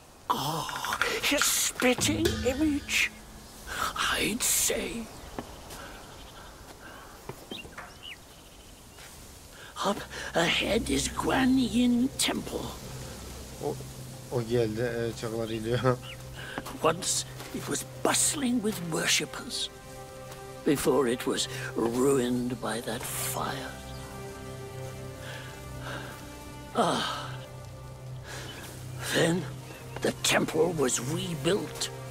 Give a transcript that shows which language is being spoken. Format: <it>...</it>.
<en>Oh, his spitting image. I'd say. Up ahead is Guan Yin Temple.</en> <tr>O geldi, çakalar geliyor.</tr> <en>Once it was bustling with worshippers. Before it was ruined by that fire. Ah. Then the temple was rebuilt.</en>